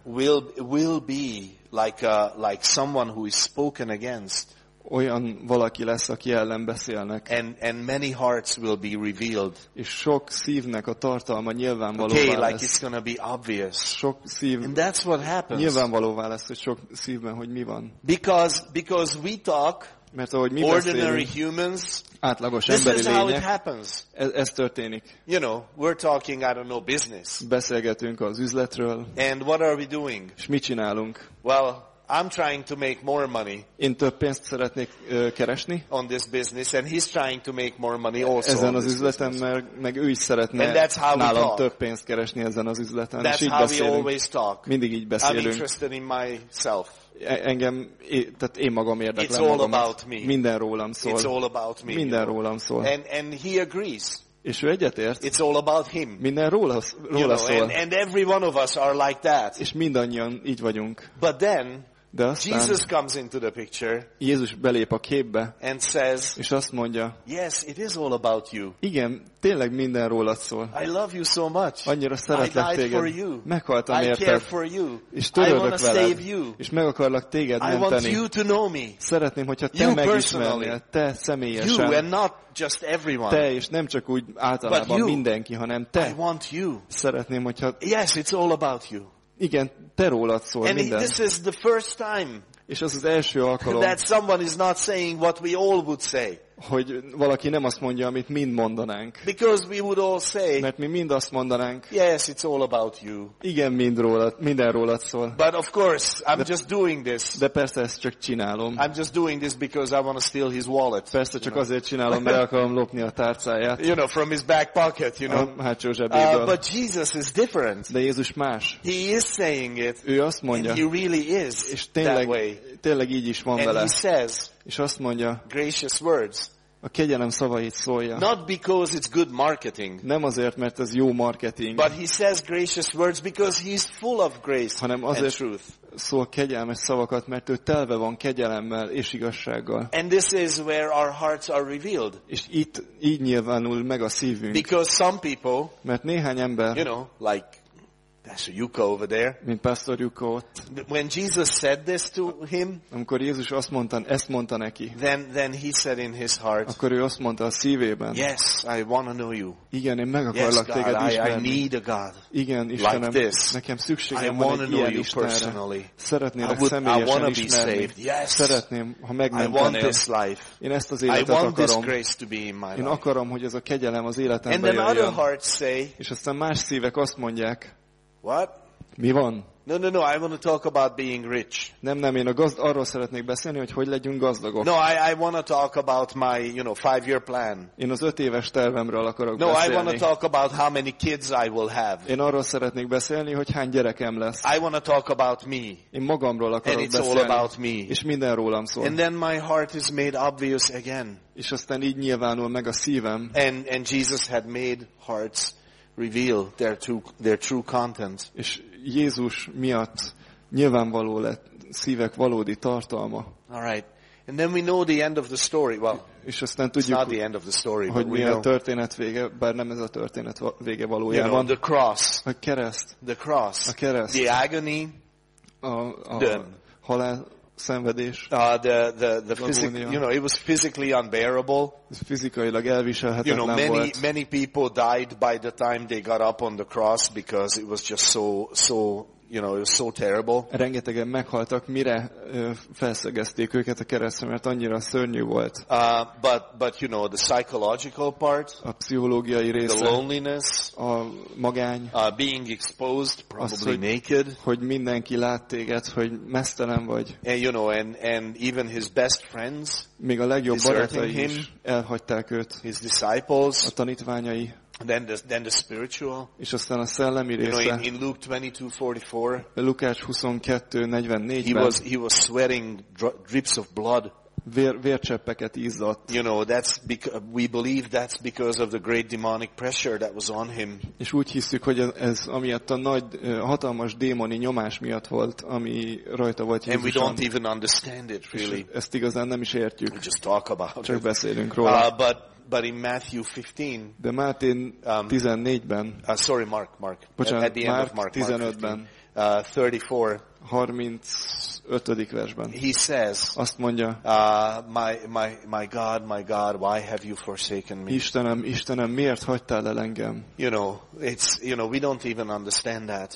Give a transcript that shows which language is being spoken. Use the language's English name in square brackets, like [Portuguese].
[English] Will be like someone who is spoken against. [Hungarian] Olyan valaki lesz, aki ellen beszélnek. [English] And many hearts will be revealed. [Hungarian] És sok szívnek a tartalma nyilvánvalóvá [English] okay, [Hungarian] lesz. [English] Like it's gonna be obvious. [Hungarian] Sok szív. [English] And that's what happens. [Hungarian] Nyilvánvalóvá lesz, hogy sok szívben, hogy mi van. [English] Because we talk. [Hungarian] Mert ahogy mi [English] ordinary [Hungarian] beszélünk, [English] humans, [Hungarian] átlagos [English] this [Hungarian] emberi [English] is [Hungarian] lények, [English] how it happens. [Hungarian] Ez történik. [English] You know, we're talking, I don't know, business. [Hungarian] Beszélgetünk az üzletről. [English] And what are we doing? [Hungarian] És mit csinálunk? [English] Well, I'm trying to make more money. [Hungarian] Én több pénzt szeretnék keresni. [English] On this business, and he's trying to make more money also. [Hungarian] Ezen az üzleten, meg ő is szeretne nálam több pénzt keresni ezen az üzleten. [English] That's [Hungarian] így [English] how [Hungarian] beszélünk. [English] We always talk. [Hungarian] Mindig így beszélünk. [English] I'm interested in myself. [Hungarian] Engem, tehát én magam érdeklem. [English] It's all about me. [Hungarian] Minden rólam szól. [English] It's all about me. [Hungarian] Minden rólam szól. [English] And he agrees. [Hungarian] És ő egyetért. [English] It's all about him. [Hungarian] Minden róla [English] you know, [Hungarian] szól. [English] And every one of us are like that. [Hungarian] És mindannyian így vagyunk. [English] But then, [Hungarian] de aztán [English] Jesus comes into the picture. [Hungarian] Jézus belép a képbe. [English] And says, [Hungarian] és azt mondja. [English] Yes, it is all about you. [Hungarian] Igen, tényleg minden rólad szól. [English] I love you so much. [Hungarian] Annyira szeretlek téged. Meghaltam [English] I [Hungarian] érted. [English] Care for you. [Hungarian] És törődök [English] I wanna [Hungarian] veled. [English] Save you. [Hungarian] És meg akarlak téged menteni. [English] I want you to know me. [Hungarian] Szeretném, hogyha te megismernél. Te személyesen. [English] You and not just everyone. [Hungarian] Te és nem csak úgy általában mindenki, hanem te. [English] I want you. [Hungarian] Szeretném, hogyha [English] yes, it's all about you. [Hungarian] Igen, te rólad szól [English] and [Hungarian] minden. [English] This is the first time. [Hungarian] És az az első alkalom. [English] That someone is not saying what we all would say. [Hungarian] Hogy valaki nem azt mondja, amit mind mondanánk. [English] Because we would all say. [Hungarian] Mert mi mind azt mondanánk. [English] Yes, it's all about you. [Hungarian] Igen, mind rólad, minden rólad szól. [English] But of course, I'm just doing this. [Hungarian] De persze ezt csak csinálom. [English] I'm just doing this because I want to steal his wallet. [Hungarian] Persze csak azért csinálom, mert akarom lopni a tárcáját. [English] You know, from his back pocket, you know. [Hungarian] A hátsó zsebéből. [English] But Jesus is different. [Hungarian] De Jézus más. [English] He is saying it. [Hungarian] Ő azt mondja. [English] And he really is. [Hungarian] És tényleg, [English] that way. [Hungarian] Tényleg így is van vele. [English] And he says. [Hungarian] És azt mondja, [English] gracious words. [Hungarian] A kegyelem szavait szólja. [English] Not because it's good marketing. [Hungarian] Nem azért, mert ez jó marketing. [English] But he says gracious words because he's full of grace and truth. [Hungarian] Szól kegyelmes szavakat, mert ő telve van kegyelemmel és igazsággal. [English] And this is where our hearts are revealed. [Hungarian] És itt így nyilvánul meg a szívünk. [English] Because some people, [Hungarian] mert néhány ember, [English] you know, like Pastor Yuko over there. [Hungarian] Mint Pastor Yuko ott. [English] When Jesus said this to him, [Hungarian] amikor Jézus azt mondta, ezt mondta neki, [English] then he said in his heart, [Hungarian] akkor ő azt mondta a szívében, [English] yes, I want to know you. [Hungarian] Igen, én meg akarlak téged ismerni. [English] I need a God. [Hungarian] Igen, Istenem, nekem szükségem van egy ilyen Istenre. Szeretnélek személyesen ismerni. Szeretném, ha megmentenél. Én ezt az életet akarom. [English] I want this grace to be in my life. [Hungarian] Én akarom, hogy ez a kegyelem az életemben jöjjön. És aztán más szívek azt mondják, [English] what? [Hungarian] Mi van? [English] No, I want to talk about being rich. [Hungarian] Nem, én a arról szeretnék beszélni, hogy legyünk gazdagok. [English] No, I want to talk about my, you know, 5-year plan. [Hungarian] Én az 5 éves tervemről akarok [English] no, [Hungarian] beszélni. [English] No, I want to talk about how many kids I will have. [Hungarian] Én arról szeretnék beszélni, hogy hány gyerekem lesz. [English] I want to talk about me. [Hungarian] Én magamról akarok [English] and it's [Hungarian] beszélni. [English] All about me. [Hungarian] És minden rólam szól. [English] And then my heart is made obvious again. [Hungarian] És aztán így nyilvánul meg a szívem. [English] And Jesus had made hearts reveal their true content. [Hungarian] És Jézus miatt nyilvánvaló lett szívek valódi tartalma. [English] All right. And then we know the end of the story. Well, [Hungarian] és aztán tudjuk, [English] it's not the end of the story, [Hungarian] hogy [English] but [Hungarian] mi a történet vége, bár nem ez a történet vége valójában. [English] You know, the cross. [Hungarian] A kereszt. [English] The cross. [Hungarian] A kereszt. [English] The agony. [Hungarian] A halál szenvedés. [English] The physical, you know, it was physically unbearable. [Hungarian] Fizikailag elviselhetetlen, [English] you know, many [Hungarian] volt. [English] Many people died by the time they got up on the cross because it was just so, you know, it was so terrible. [Hungarian] Rengetegen meghaltak, mire felszegezték őket a keresztre, mert annyira szörnyű volt. [English] But you know, the psychological part, [Hungarian] a pszichológiai része, [English] the loneliness, [Hungarian] a magány, [English] being exposed, probably [Hungarian] az, hogy, [English] naked, [Hungarian] hogy mindenki lát téged, hogy mesztelen vagy. [English] And you know, and even his best friends, [Hungarian] még a legjobb barátai is elhagyták őt, [English] his disciples, [Hungarian] a tanítványai. [English] Then the spiritual. [Hungarian] És aztán a szellemi része. [English] You know, in Luke 22:44. [Hungarian] Lukács 22:44-ben. [English] He was sweating drips of blood. [Hungarian] Vércseppeket izzadt. [English] You know, we believe that's because of the great demonic pressure that was on him. [Hungarian] És úgy hiszük, hogy ez amiatt a nagy hatalmas démoni nyomás miatt volt, ami rajta volt Jézuson. [English] And we don't even understand it really. [Hungarian] És ezt igazán nem is értjük. [English] We just talk about [Hungarian] csak beszélünk róla. [English] But in Matthew 15, [Hungarian] de Máté 14-ben, [English] sorry, Mark. [Hungarian] Bocsánat, [English] at the end of Mark 15, 34. [Hungarian] 35. versben. [English] He says, [Hungarian] azt mondja, [English] my God, my God, why have you forsaken me? [Hungarian] Istenem, Istenem, miért hagytál el engem? [English] You know, it's, you know, we don't even understand that.